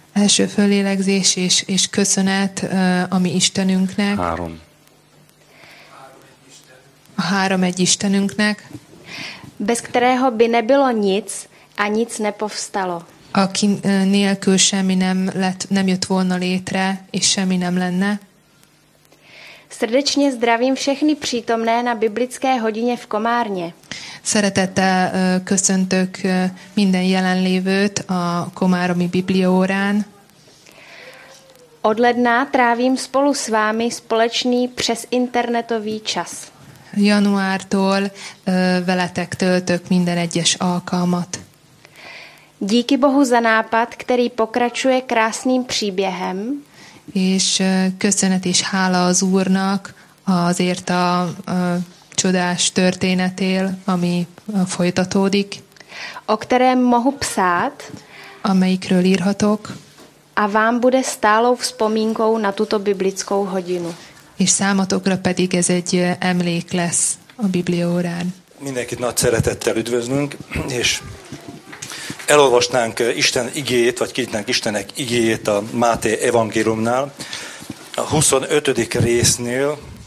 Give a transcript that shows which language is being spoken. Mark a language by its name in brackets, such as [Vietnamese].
[Hungarian] Első föllélegzés és köszönet a mi Istenünknek. Három. A három egy Istenünknek. [Czech] Bez kterého by nebylo nic a nic nepovstalo. [Hungarian] Aki nélkül semmi nem jött volna létre és semmi nem lenne. [Czech] Srdečně zdravím všechny přítomné na biblické hodině v Komárně. [Hungarian] Szeretettel köszöntök minden jelenlévőt a komáromi biblióórán. [Czech] Od ledna trávím spolu s vámi společný přes internetový čas. [Hungarian] Januártól veletek töltök minden egyes alkalmat. [Czech] Díky Bohu za nápad, který pokračuje krásným příběhem. [Hungarian] És köszönet és hála az Úrnak azért a csodás történetél, ami folytatódik. [Czech] O kterém mohu psát, [Hungarian] amelyikről írhatok. [Czech] A vám bude stálou vzpomínkou na tuto biblickou hodinu. [Hungarian] És számotokra pedig ez egy emlék lesz a Bibliórán. Mindenkit nagy szeretettel üdvözlünk, és elolvasnánk Isten igéjét, vagy kinyitnánk Istenek igéjét a Máté evangéliumnál, a 25. résznél.